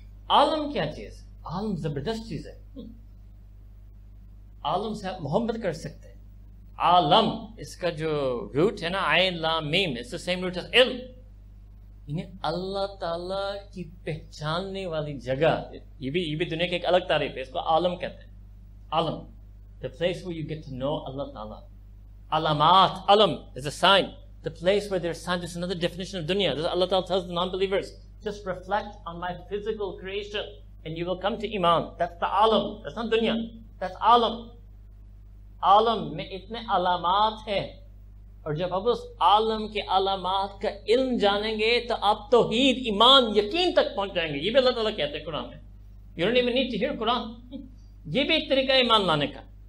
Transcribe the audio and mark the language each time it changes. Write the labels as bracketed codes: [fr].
[ur] عالم کیا چیز ہے؟ عالم زبردست چیز ہے, عالم سے آپ محبت کر سکتے ہیں. عالم اس کا جو روٹ ہے نا, عین لام میم, [en] it's the same root is علم, [ur] یعنی اللہ تعالیٰ کی پہچاننے والی جگہ. یہ بھی دنیا کی ایک الگ تعریف ہے, اس کو عالم کہتے ہیں. [en] عالم, the place where you get to know اللہ تعالیٰ. علامات, علم is a sign, the place where there's sign. There's another definition of dunya. This Allah Ta'ala tells the non-believers, just reflect on my physical creation and you will come to iman. That's the alam, that's not dunya, that's alam. [ur] Alam میں اتنے علامات ہیں, اور جب آپ اس عالم کے علامات کا علم جانیں گے تو آپ توحید ایمان یقین تک پہنچ جائیں گے. یہ بھی اللہ تعالیٰ کہتے ہیں قرآن میں, [en] you don't even need to hear [ur] قرآن. یہ بھی ایک طریقہ ایمان لانے کا.